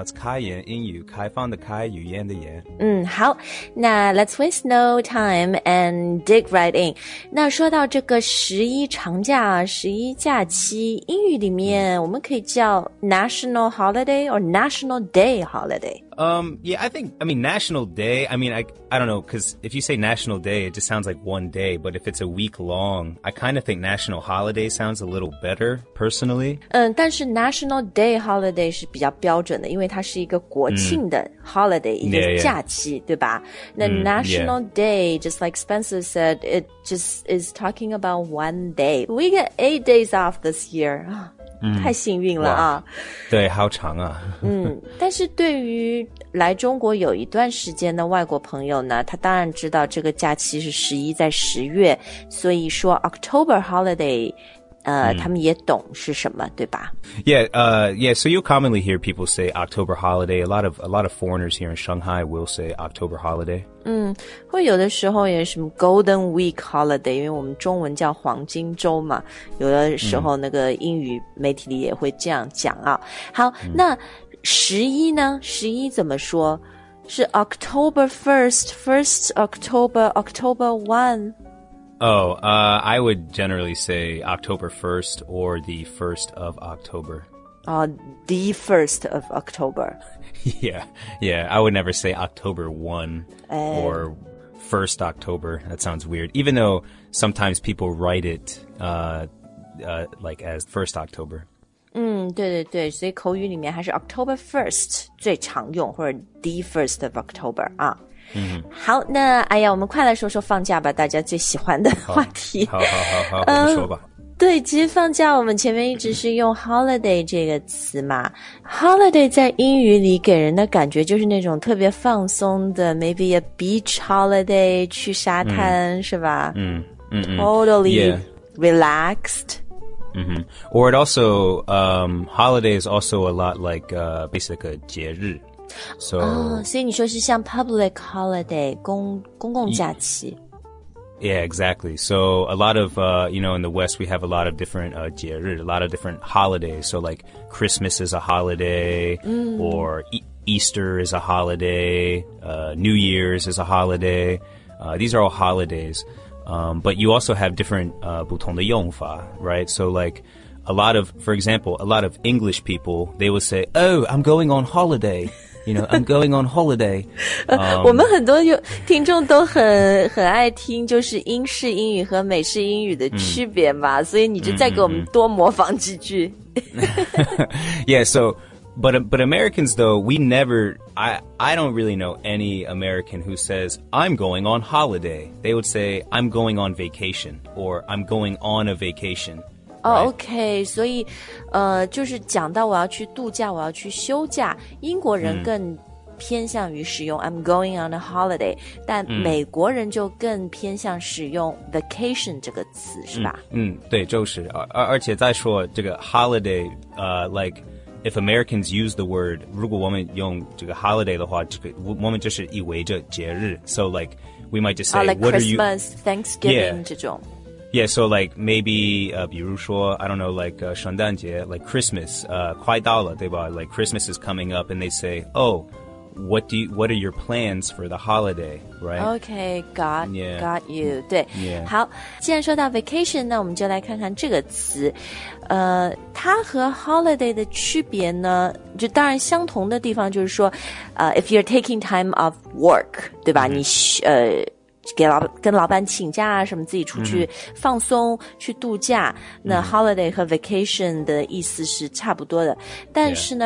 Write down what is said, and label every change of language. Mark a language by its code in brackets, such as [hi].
[en] It's [zh] 开言英语，开放的开，语言的言。嗯，好，那 [en] let's waste no time and dig right in. [zh] 那说到这个十一长假，十一假期，英语里面我们可以叫 [en] National Holiday or National Day Holiday. National Day, I don't know, because if you say National Day, it just sounds like one day, but if it's a week long, I kind of think National Holiday sounds a little better, personally. [zh] 但是 National Day Holiday 是比较标准的，因为它是一个国庆的 holiday, 一个假期， [en] yeah, yeah. [zh] 对吧？ [en] 那 National Day, just like Spencer said, it just is talking about one day. We get 8 days off this year. [zh] 太幸运了啊。对，好长啊。但是对于来中国有一段时间的外国朋友呢，他当然知道这个假期是十一在十月，所以说 October holiday, 他们也懂是什么，对吧？ [en] So you commonly hear people say October holiday. A lot of foreigners here in Shanghai will say October holiday. [zh] 会有的时候也什么 Golden Week Holiday, 因为我们中文叫黄金周嘛，有的时候那个英语媒体里也会这样讲啊。好，那十一呢？十一怎么说？是 [en] October 1st, 1st October, October 1? I would generally say October 1st or the 1st of October. The 1st of October. Yeah, I would never say October 1 or 1st October. That sounds weird. Even though sometimes people write it like as 1st October. [zh] 对对对，所以口语里面还是 October 1st 最常用，或者 the 1st of October 啊。好，那哎呀，我们快来说说放假吧，大家最喜欢的话题。好，我们说吧。对，其实放假我们前面一直是用 holiday 这个词嘛。 Holiday 在英语里给人的感觉就是那种特别放松的 ， [en] maybe a beach holiday， [zh] 去沙滩是吧？ [en] Totally、relaxed。 Or it also holiday is also a lot like basically [zh] 节日。 [en] So, [zh] 所以你说是像 public holiday, 公共假期。 [en] Yeah, exactly. So a lot of, in the West, we have a lot of different [zh] 节日, [en] a lot of different holidays. So like Christmas is a holiday, or Easter is a holiday, New Year's is a holiday. These are all holidays. But you also have different [zh] 不同的用法, [en] right? So like... A lot of English people, they will say, oh, I'm going on holiday. You know, I'm going on holiday. [zh] 我们很多听众都很爱听就是英式英语和美式英语的区别嘛，所以你就再给我们多模仿几句。 [en] Yeah, so, but Americans though, we never, I don't really know any American who says, I'm going on holiday. They would say, I'm going on vacation, or I'm going on a vacation. Oh, OK, [zh] 所以就是讲到我要去度假，我要去休假，英国人更偏向于使用 [en] I'm going on a holiday， [zh] 但美国人就更偏向使用 vacation 这个词，是吧？对，就是。而且再说这个 holiday， [en] like if Americans use the word， [zh] 如果我们用这个 holiday 的话，这个我们就是以为这节日。 [en] So like we might just say like what Christmas, are you [zh] Thanksgiving 这种。 [en] Yeah, so like maybe, [zh] 比如说 [en] I don't know, like [zh] 圣诞节 [en] like Christmas, [zh] 快到了对吧 [en] like Christmas is coming up and they say, oh, what are your plans for the holiday, right? Okay, got you, [zh] 对、 [en] yeah. [zh] 好既然说到 vacation, 那我们就来看看这个词它和 holiday 的区别呢就当然相同的地方就是说 [en] if you're taking time off work, [zh] 对吧、mm-hmm. 跟老板请假啊什么自己出去放松、mm-hmm. 去度假那 holiday 和 vacation 的意思是差不多的但是呢、